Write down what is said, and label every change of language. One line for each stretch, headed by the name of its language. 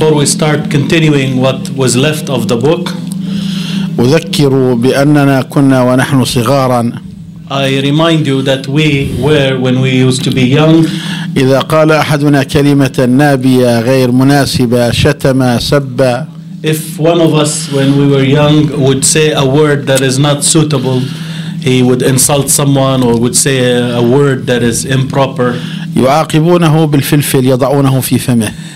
English: before we start continuing what was left of the book،
Arabic: أذكر بأننا كنا ونحن صغارا.
English: I remind you that we were when we used to be young.
Arabic: إذا قال أحدنا كلمة نابية غير مناسبة، شتم، سب.
English: If one of us when we were young would say a word that is not suitable, he would insult someone or would say a word that is improper.
Arabic: يعاقبونه بالفلفل، يضعونه في فمه.